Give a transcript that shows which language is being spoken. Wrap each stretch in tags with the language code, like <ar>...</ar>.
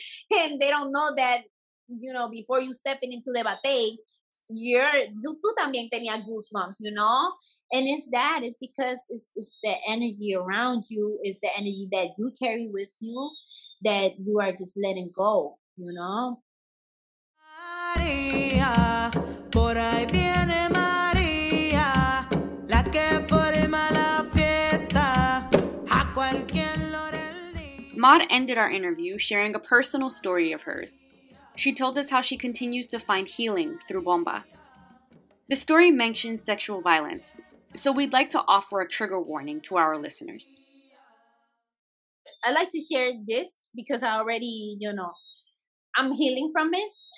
<en>And they don't know that, you know, before you stepping into the bate,</en> <es>tú también tenías</es> <en>goosebumps, you know? And it's that. It's because it's the energy around you. It's the energy that you carry with you that you are just letting go, you know?</en> <es>María, por ahí viene María, la que forma la fiesta, a cualquier lorelli.</es> <en>Maud ended our interview sharing a personal story of hers. She told us how she continues to find healing through bomba. The story mentions sexual violence, so we'd like to offer a trigger warning to our listeners. I'd like to share this because I already, you know, I'm healing from it.</en>